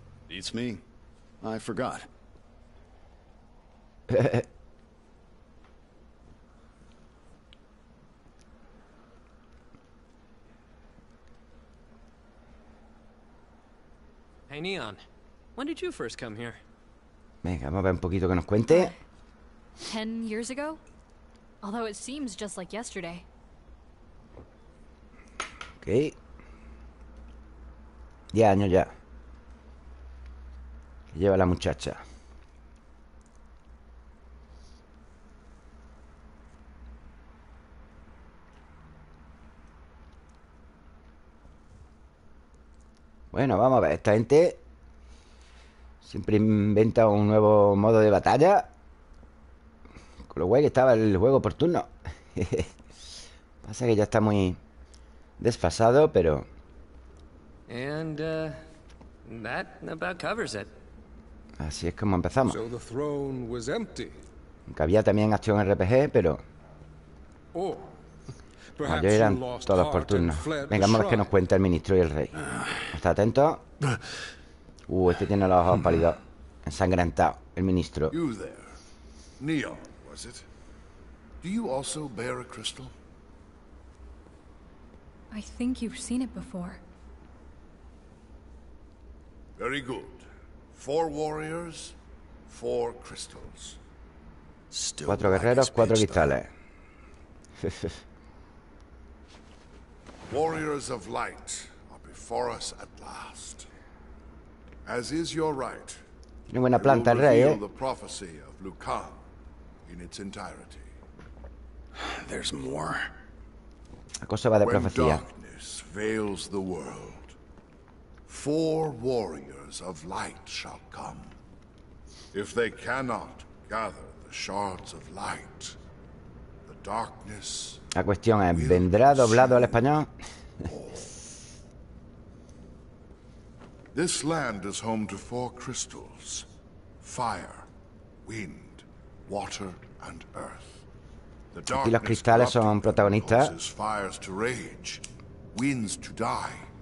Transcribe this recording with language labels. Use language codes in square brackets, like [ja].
[en] It's me. I forgot. Hey, Neon. When did you first come here? [es] Venga, vamos a ver un poquito que nos cuente. [en] 10 years ago? Although it seems just like yesterday. Okay. [es] 10 años ya. Lleva la muchacha. Bueno, vamos a ver. Esta gente siempre inventa un nuevo modo de batalla. Con lo guay que estaba el juego por turno. Pasa que ya está muy desfasado, pero. [en] And that about covers it. [es] Así es como empezamos. [en] So the throne was empty. [es] Aunque había también acción RPG, pero. Oh, no, yo eran todos por turno. Vengamos a ver qué nos cuenta el ministro y el rey. Está atento. Este tiene los ojos pálidos. Ensangrentado, el ministro. [en] You there. Neon, was it? Do you also bear a crystal? I think you've seen it before. Very good. Four warriors, four crystals. Still [es] cuatro guerreros, cuatro cristales. [en] Warriors of light are before us at last. As is your right. [es] Tiene buena planta el rey, [en] the prophecy of Lucan in its entirety. There's more. [es] La cosa va de profecía. [en] When darkness veils the world, four warriors of light shall come. If they cannot gather the shards of light, the darkness. [es] La cuestión es, ¿vendrá doblado al español? [en] This land is home to four crystals: fire, wind, water, and earth. The darkness. [es] Y los cristales son protagonistas. [en] Causes fires to rage, winds to die.